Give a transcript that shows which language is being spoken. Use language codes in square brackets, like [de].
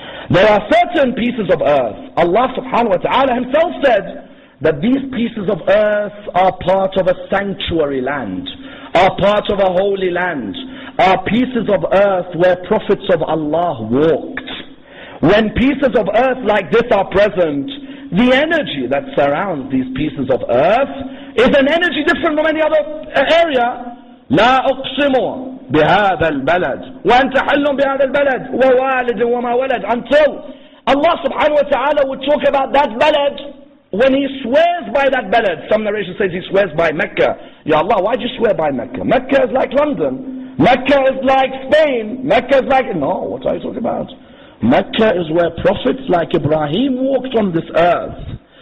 [en] There are certain pieces of earth, Allah subhanahu wa ta'ala himself said that these pieces of earth are part of a sanctuary land, are part of a holy land, are pieces of earth where prophets of Allah walked. When pieces of earth like this are present, the energy that surrounds these pieces of earth is an energy different from any other area. [ar] لا أقسم بهذا البلد وأنت حل بهذا البلد ووالد وما ولد. [en] Until Allah subhanahu wa ta'ala would talk about that balad, when he swears by that balad. Some narration says he swears by Mecca. Ya Allah, why do you swear by Mecca? Mecca is like London. Mecca is like Spain. Mecca is like... No, what are you talking about? Mecca is where prophets like Ibrahim walked on this earth.